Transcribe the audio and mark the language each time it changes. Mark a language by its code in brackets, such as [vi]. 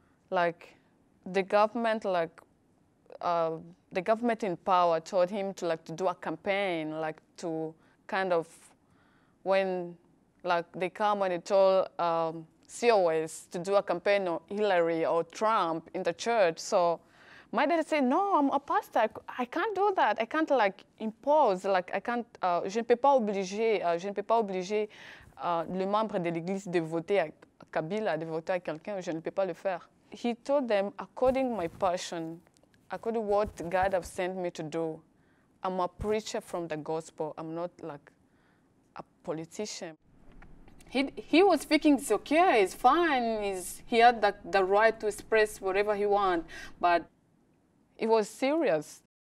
[en] Like, the government, the government in power told him to like to do a campaign, like to kind of, when like they come and they told COS to do a campaign on Hillary or Trump in the church. So my dad said, no, I'm a pastor. I can't do that. I can't like impose, like I can't, [fr] je ne peux pas obliger le membre de l'église de voter à Kabila, de voter à quelqu'un, je ne peux pas le faire. [en] He told them, according my passion, according what God have sent me to do, I'm a preacher from the gospel. I'm not like a politician. He was thinking it's okay, it's fine. He had the right to express whatever he want, but it was serious.